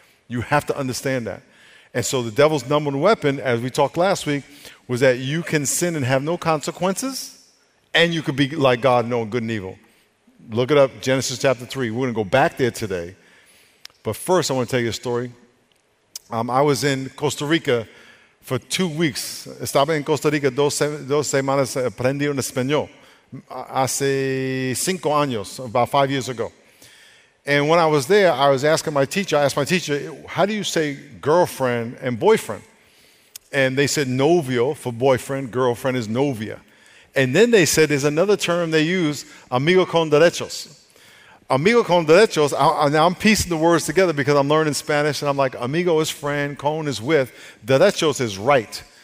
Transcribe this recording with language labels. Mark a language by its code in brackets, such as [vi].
[en] You have to understand that. And so the devil's number one weapon, as we talked last week, was that you can sin and have no consequences, and you could be like God, knowing good and evil. Look it up, Genesis chapter 3. We're going to go back there today. But first, I want to tell you a story. I was in Costa Rica for 2 weeks. [es] Estaba en Costa Rica dos semanas aprendiendo español. Hace 5 años, [en] about 5 years ago. And when I was there, I asked my teacher, how do you say girlfriend and boyfriend? And they said novio for boyfriend, girlfriend is novia. And then they said there's another term they use, amigo con derechos. Amigo con derechos, I'm piecing the words together because I'm learning Spanish, and I'm like, amigo is friend, con is with, derechos is right.